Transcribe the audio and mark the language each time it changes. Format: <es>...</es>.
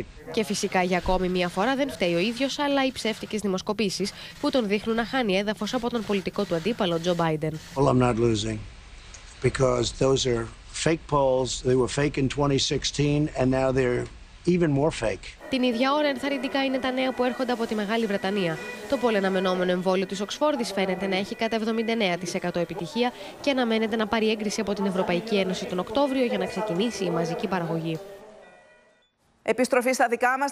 <el>Και φυσικά για ακόμη μία φορά δεν φταίει ο ίδιος, αλλά οι ψεύτικες δημοσκοπήσεις που τον δείχνουν να χάνει έδαφος από τον πολιτικό του αντίπαλο Τζο Μπάιντεν.</el> <en>Fake polls, they were fake in 2016 and now they're even more fake.</en> <el>Την ίδια ώρα ενθαρρυντικά είναι τα νέα που έρχονται από τη Μεγάλη Βρετανία. Το πολυαναμενόμενο εμβόλιο της Οξφόρδης φαίνεται να έχει κατά 79% επιτυχία και αναμένεται να πάρει έγκριση από την Ευρωπαϊκή Ένωση τον Οκτώβριο για να ξεκινήσει η μαζική παραγωγή. Επιστροφή στα δικά μας.</el>